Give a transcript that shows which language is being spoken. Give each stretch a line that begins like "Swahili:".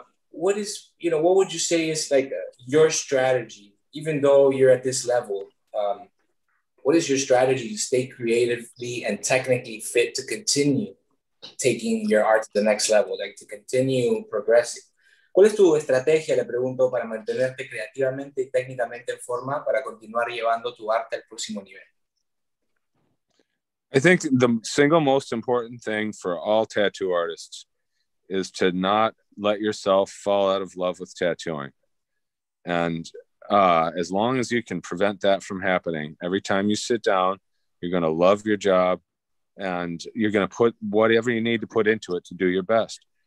English: what is, you know, what would you say is like your strategy, even though you're at this level, what is your strategy to stay creatively and technically fit to continue taking your art to the next level, like to continue progressing?
Spanish: ¿Cuál es tu estrategia, le pregunto, para mantenerte creativamente y técnicamente en forma para continuar llevando tu arte al próximo nivel?
English: I think the single most important thing for all tattoo artists is to not let yourself fall out of love with tattooing. And as long as you can prevent that from happening, every time you sit down, you're going to love your job and you're going to put whatever you need to put into it to do your best.